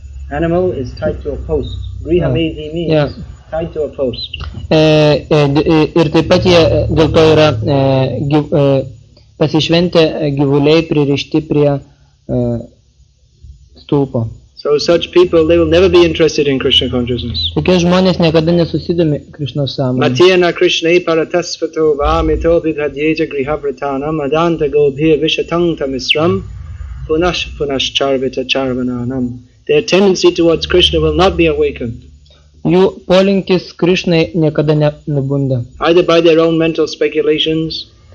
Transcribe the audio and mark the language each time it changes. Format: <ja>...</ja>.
<en>Animal is tied to a post. Grihamedhi means... Yeah.</en> <lt>Ir taip pat jie dėl to yra pasišventę gyvuliai pririšti prie stulpo.</lt> <en>So such people, they will never be interested in Krishna consciousness.</en> <lt>Tokie žmonės niekada nesusidomi Krishna sąmonė.</lt> <sa>Matiena Krishna paratasvato vāmito vidhadyeja grihavratana madanta gobhir vishatanta misram punash punash charvita charvananam.</sa> <en>Their tendency towards Krishna will not be awakened.</en> <lt>Jų polinkis Krishnai niekada nebunda.</lt> <en>Either by their own mental speculations,</en>